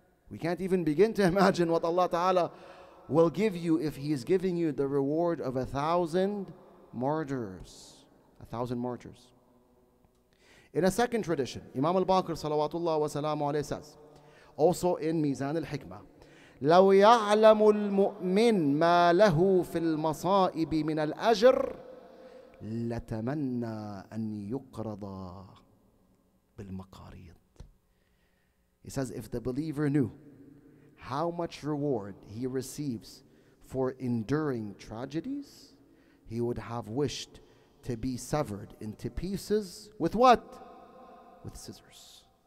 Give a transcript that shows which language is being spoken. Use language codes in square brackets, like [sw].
[en] We can't even begin to imagine what Allah Ta'ala will give you if He is giving you the reward of 1,000 martyrs. 1,000 martyrs. In a second tradition, Imam Al-Baqir salawatullah wa salamu alayhi says, also in Mizan Al-Hikmah, [ar] لو يعلم المؤمن ما له في المصائب من الأجر لتمنى أن يقرض بالمقاريض. [en] He says, if the believer knew how much reward he receives for enduring tragedies, he would have wished to be severed into pieces with what? With scissors.